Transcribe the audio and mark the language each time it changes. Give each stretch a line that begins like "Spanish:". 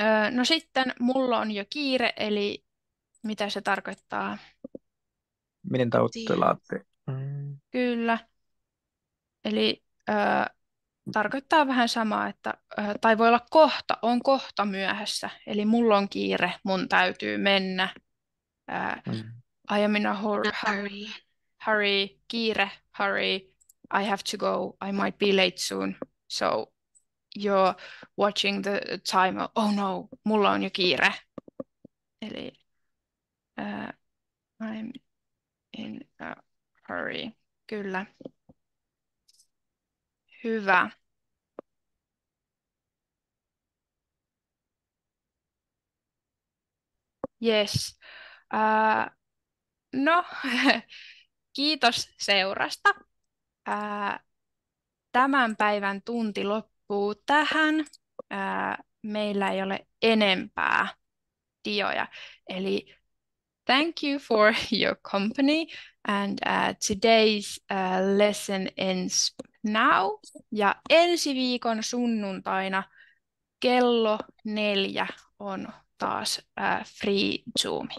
Finnish: No sitten, mulla on jo kiire, eli mitä se tarkoittaa? Miten tauttelaatte? Kyllä. Eli tarkoittaa vähän samaa, että tai voi olla kohta, on kohta myöhässä. Eli mulla on kiire, mun täytyy mennä.
English: I am in a hurry, kiire, hurry, I have to go, I might be late soon. So you're watching the timer, oh no,
Finnish: mulla on jo kiire.
English: Eli I'm in a hurry.
Finnish: Kyllä. Hyvä.
English: Yes.
Finnish: No, kiitos seurasta. Tämän päivän tunti loppuu tähän. Meillä ei ole enempää dioja.
English: Eli thank you for your company. And today's lesson ends now.
Finnish: Ja ensi viikon sunnuntaina 16:00 on taas
English: free Zoom.